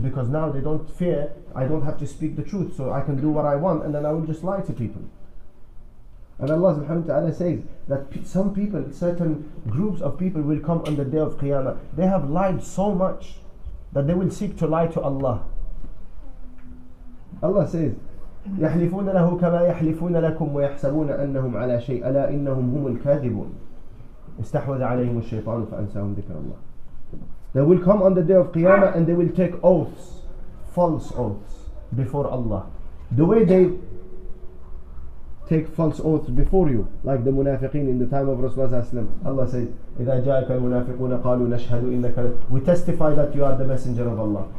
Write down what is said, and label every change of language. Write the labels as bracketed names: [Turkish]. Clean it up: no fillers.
[English] Because now they don't fear, I don't have to speak the truth, so I can do what I want, and then I will just lie to people. And Allah subhanahu wa ta'ala says that some people, certain groups of people will come on the day of Qiyamah. They have lied so much that they will seek to lie to Allah. Allah says, [Arabic] يحلفون له كما يحلفون لكم ويحسبون أنهم على شيء ألا إنهم هم الكاذبون استحوذ عليهم الشيطان فأنساهم ذكر الله. [English] They will come on the day of Qiyamah and they will take oaths, false oaths before Allah. The way they take false oaths before you, like the munafiqeen in the time of Rasulullah ﷺ. Allah says, [Arabic] إذا جاءك المنافقون قالوا نشهد إنك [English] we testify that you are the messenger of Allah.